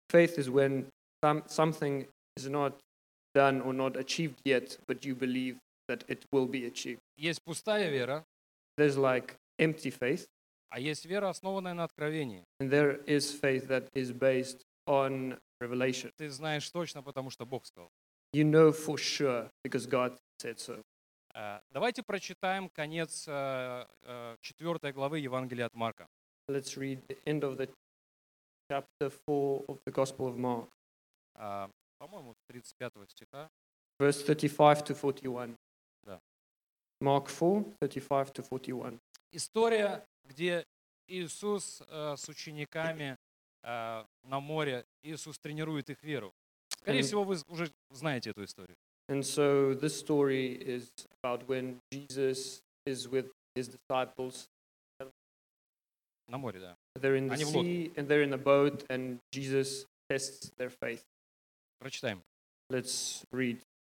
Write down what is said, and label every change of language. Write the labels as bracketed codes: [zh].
[en] Faith is when something is not done or not achieved yet, but you believe that it will be achieved. [ru] Есть пустая вера. [en] There's like empty faith. [ru] А есть вера, основанная на откровении. [en] And there is faith that is based on revelation. [ru] Ты знаешь точно, потому что Бог сказал. [en] You know for sure because God said so. [ru] Давайте прочитаем конец 4 главы Евангелия от Марка. [en] Let's read the end of the chapter 4 of the Gospel of Mark. [ru] По-моему, 35 стиха. [en] Verse 35 to 41. Mark 4:35-41. [ru] История, где Иисус с учениками на море, Иисус тренирует их веру. Скорее всего, вы уже знаете эту историю. [en] And so this story is about when Jesus is with his disciples. [ru] На море, да. [en] They're in the sea and they're in a boat and Jesus tests their faith. [ru] Прочитаем. [en] Let's read.